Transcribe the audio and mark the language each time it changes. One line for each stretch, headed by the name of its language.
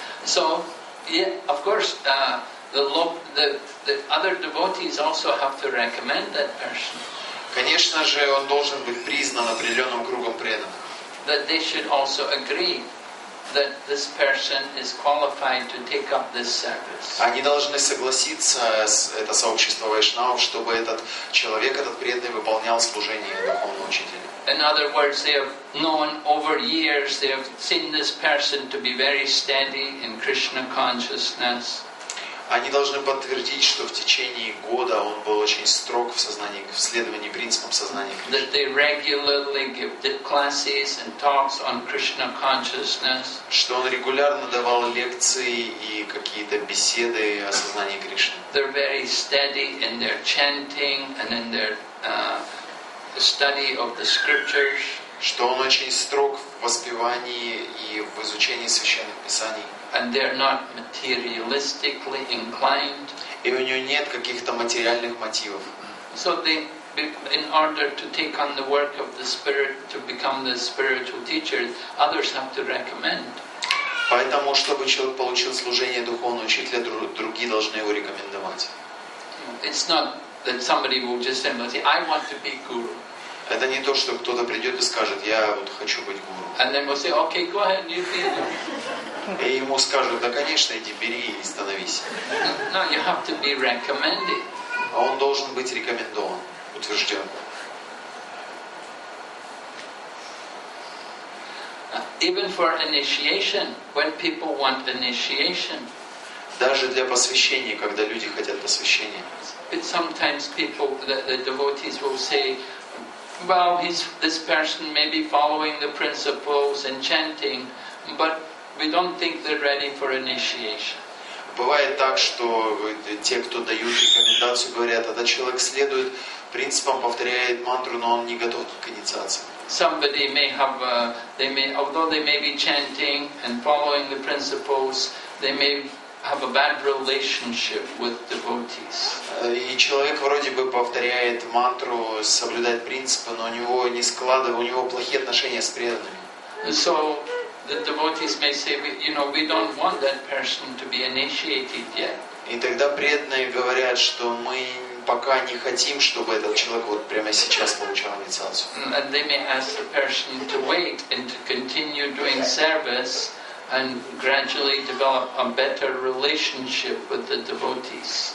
English: So, yeah, of course, the other devotees also have to recommend that person.
Russian: Конечно же, он должен быть признан определенным кругом преданных.
English: That they should also agree that this person is qualified to take up this service.
Russian: Они должны согласиться, это сообщество вайшнав, чтобы этот человек, этот преданный, выполнял служение духовного учителя.
English: In other words, they have known over years, they have seen this person to be very steady in Krishna consciousness.
Russian: Они должны подтвердить, что в течение года он был очень строг в сознании, в следовании принципам сознания Кришны.
English: That they regularly give classes and talks on Krishna consciousness.
Russian: Что он регулярно давал лекции и какие-то беседы о сознании Кришны.
English: They're very steady in their chanting and in their study of the scriptures.
Russian: Что он очень строг в воспевании и в изучении священных писаний.
English: And they're not materialistically inclined.
Russian: И у него нет каких-то материальных мотивов.
English: So they, in order to take on the work of the spirit, to become the spiritual teacher, others have to recommend.
Russian: Поэтому, чтобы человек получил служение духовного учителя, другие должны его рекомендовать.
English: It's not that somebody will just say, I want to be guru.
Russian: Это не то, что кто-то придет и скажет, я вот хочу быть гуру.
English: And then we'll say, okay, go ahead, you be guru.
Russian: И ему скажут, да, конечно, иди, бери и становись.
English: No, you have to be recommended.
Russian: А он должен быть рекомендован, утвержден.
English: Even for initiation, when people want initiation.
Russian: Даже для посвящения, когда люди хотят посвящения.
English: But sometimes people, the devotees will say, well, this person may be following the principles and chanting, but we don't think they're ready for initiation.
Russian: Бывает так, что те, кто дают рекомендацию, говорят, этот человек следует принципам, повторяет мантру, но он не готов к инициации.
English: Somebody may have, although they may be chanting and following the principles, they may have a bad relationship with devotees.
Russian: И человек вроде бы повторяет мантру, соблюдает принципы, но у него не складывается, у него плохие отношения с преданными.
English: So the devotees may say, you know, we don't want that person to be initiated yet.
Russian: И тогда преданные говорят, что мы пока не хотим, чтобы этот человек вот прямо сейчас получал инициацию.
English: And they may ask the person to wait and to continue doing service and gradually develop a better relationship with the devotees.